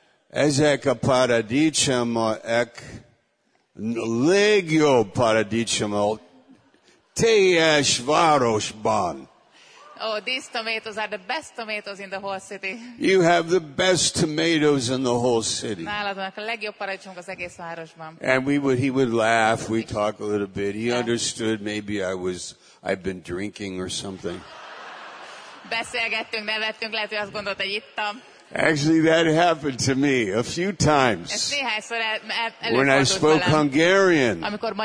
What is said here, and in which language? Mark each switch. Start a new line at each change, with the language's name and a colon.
Hungarian: Ezek a paradicsomok, legjobb paradicsomok, teljes városban.
English: Oh, these tomatoes are the best tomatoes in the whole city. You have the best tomatoes in the whole city.
Hungarian: Nálad vannak a legjobb paradicsomok az egész városban.
English: And he would laugh, we'd talk a little bit. He understood maybe I've been drinking or something.
Hungarian: Beszélgettünk, nevettünk, lehet, hogy azt gondolt, hogy ittam.
English: Actually, that happened to me a few times when I spoke Hungarian.